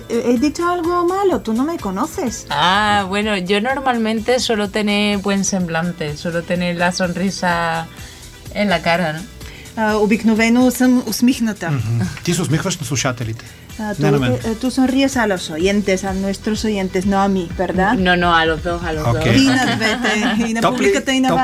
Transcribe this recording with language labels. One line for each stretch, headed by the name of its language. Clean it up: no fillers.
Spanish: He dicho algo malo, tú no me conoces. Ah, bueno, yo normalmente suelo tener buen semblante, suelo tener la sonrisa en la cara, ¿no?
Bulgarian: Обикновено съм усмихната. Mm-hmm. Ти се усмихваш на слушателите.
Spanish: Tú sonríes a los oyentes, a nuestros oyentes, no a mí, ¿verdad? No, no, a los dos, a los okay. dos.
Bulgarian: И на двете, и на публиката, и на вас.